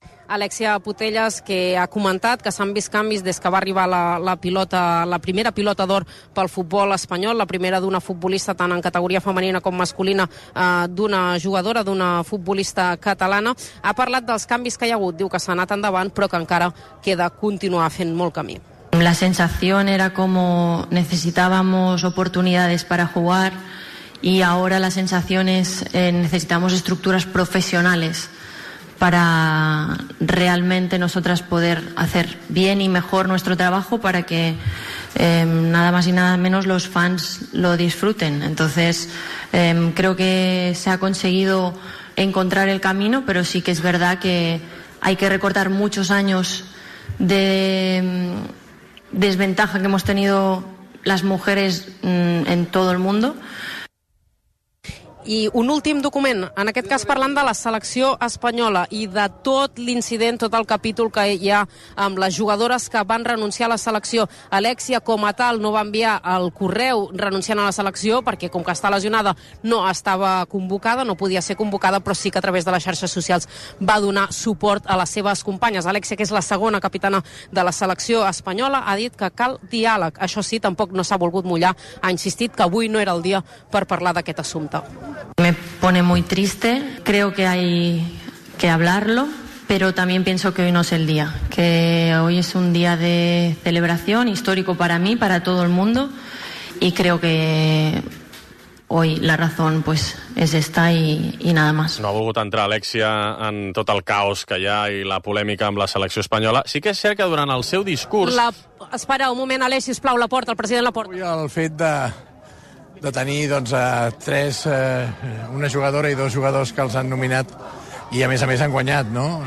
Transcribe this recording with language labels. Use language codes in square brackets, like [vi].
[ca] Alèxia Putellas, que ha comentat que s'han vist canvis des que va arribar la pilota, la primera pilota d'or pel futbol espanyol, la primera d'una futbolista tant en categoria femenina com masculina, d'una jugadora, d'una futbolista catalana. Ha parlat dels canvis que hi ha hagut, diu que s'ha anat endavant, però que encara queda continuar fent molt camí. La sensació era com [es] necessitàvamos oportunidades para jugar, y ahora la sensación es necesitamos estructuras profesionales para realmente nosotras poder hacer bien y mejor nuestro trabajo, para que nada más y nada menos los fans lo disfruten. Entonces, creo que se ha conseguido encontrar el camino, pero sí que es verdad que hay que recortar muchos años de desventaja que hemos tenido las mujeres en todo el mundo. [ca] I un últim document, en aquest cas parlant de la selecció espanyola i de tot l'incident, tot el capítol que hi ha amb les jugadores que van renunciar a la selecció. Alèxia, com a tal, no va enviar el correu renunciant a la selecció, perquè com que està lesionada no estava convocada, no podia ser convocada, però sí que a través de les xarxes socials va donar suport a les seves companyes. Alèxia, que és la segona capitana de la selecció espanyola, ha dit que cal diàleg. Això sí, tampoc no s'ha volgut mullar, ha insistit que avui no era el dia per parlar d'aquest assumpte. [es] Me pone muy triste, creo que hay que hablarlo, pero también pienso que hoy no es el día, que hoy es un día de celebración histórico para mí, para todo el mundo, y creo que hoy la razón pues es esta y nada más. [ca] No ha volgut entrar, Alèxia, en tot el caos que hi ha i la polèmica amb la selecció espanyola. Sí que és cert que durant el seu discurs... Espera un moment, Aleix, sisplau, la porta, el president la porta. Avui el fet de tenir, doncs, una jugadora i dos jugadors que els han nominat i, a més, han guanyat, no?